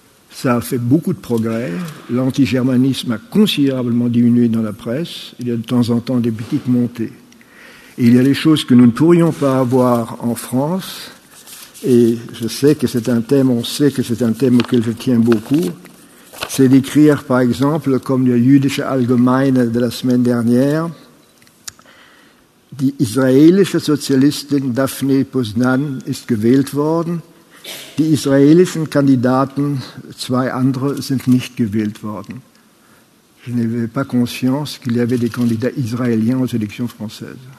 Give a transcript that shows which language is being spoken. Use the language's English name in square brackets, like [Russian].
[French] Ça a fait beaucoup de progrès. L'antigermanisme a considérablement diminué dans la presse. Il y a de temps en temps des petites montées. Et il y a des choses que nous ne pourrions pas avoir en France. Et je sais que c'est un thème, on sait que c'est un thème auquel je tiens beaucoup. C'est d'écrire, par exemple, comme le Jüdische Allgemeine de la semaine dernière, [German] die israélische Sozialistin Daphne Poznan ist gewählt worden, die israélischen Kandidaten, zwei andere, sind nicht gewählt worden. [French] Je n'avais pas conscience qu'il y avait des candidats israéliens aux élections françaises.